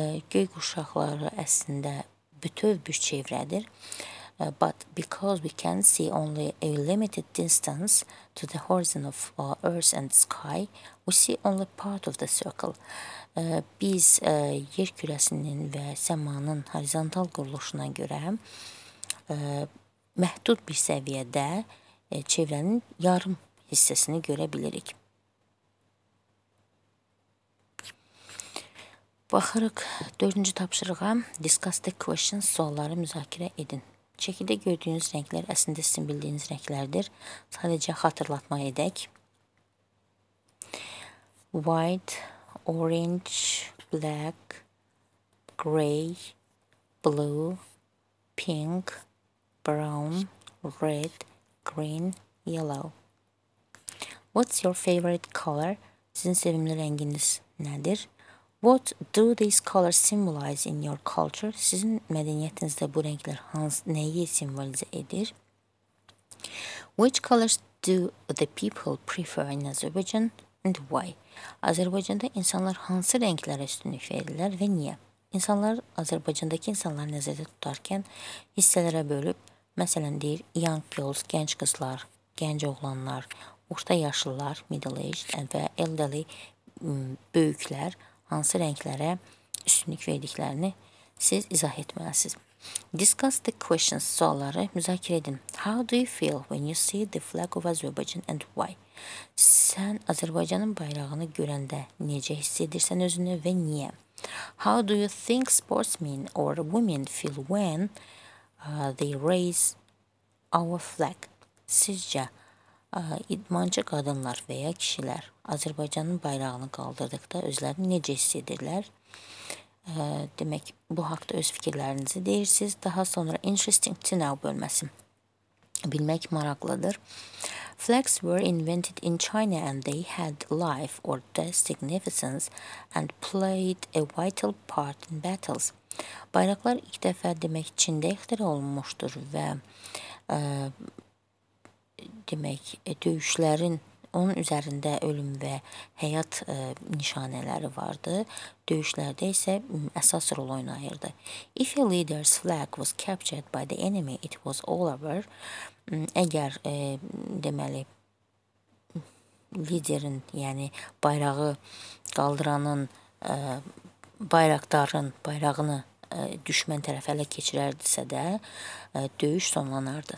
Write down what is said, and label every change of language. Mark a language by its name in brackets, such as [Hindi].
[Azerbaijani] Göy qurşaqları əslində bütöv bir çevrədir. [English] But because we can see only a limited distance to the horizon of earth and sky, we see only part of the circle. [Azerbaijani] Biz yer kürəsinin və səmanın horizontal quruluşuna görə məhdud bir səviyyədə çevrənin yarım hissəsini görə bilirik. Baxırıq 4-cü tapşırığa. [English] Discuss the questions, [Azerbaijani] sualları müzakirə edin. Şəkildə gördüyünüz rənglər əslində sizin bildiyiniz rənglərdir. Sadəcə xatırlatmaq edək. [English] White, orange, black, grey, blue, pink, brown, red, green, yellow. What's your favorite color? [Azerbaijani] Sizin sevimli rənginiz nədir? [English] What do these colors symbolize in your culture? [Azerbaijani] Sizin mədəniyyətinizdə bu rənglər nəyi simvolizə edir? [English] Which colors do the people prefer in Azerbaijan and why? [Azerbaijani] Azərbaycanda insanlar hansı rənglərə üstünlük verirlər və niyə? İnsanlar Azərbaycandakı insanları nəzərdə tutarkən hissələrə bölüb, məsələn deyir, [English] young girls, [Azerbaijani] gənc qızlar, gənc oğlanlar, orta yaşlılar, middle aged və elderly, böyüklər hansı rənglərə üstünlük verdiklərini siz izah etməlisiniz. [English] Discuss the questions, [Azerbaijani] sualları müzakirə edin. [English] How do you feel when you see the flag of Azerbaijan and why? [Azerbaijani] Sən Azərbaycanın bayrağını görəndə necə hiss edirsən özünü və niyə? [English] How do you think sportsmen or women feel when they raise our flag? [Azerbaijani] Sizcə idmançı qadınlar və ya kişilər Azərbaycanın bayrağını qaldırdıqda özlərini necə hiss edirlər? Demək, bu haqda öz fikirlərinizi deyirsiniz. Daha sonra [English] interesting to know [Azerbaijani] bölməsi. Bilmək maraqlıdır. [English] Flags were invented in China and they had life or death significance and played a vital part in battles. [Azerbaijani] Bayraqlar ilk dəfə demək Çində ixtirə olunmuşdur və demək, döyüşlərin onun üzərində ölüm və həyat nişanələri vardı. Döyüşlərdə isə əsas rol oynayırdı. [English] If a leader's flag was captured by the enemy, it was all over. [Azerbaijani] Əgər, deməli, liderin, yəni bayrağı qaldıranın, bayraqdarın bayrağını düşmən tərəf ələ keçirərdisə də, döyüş sonlanardı.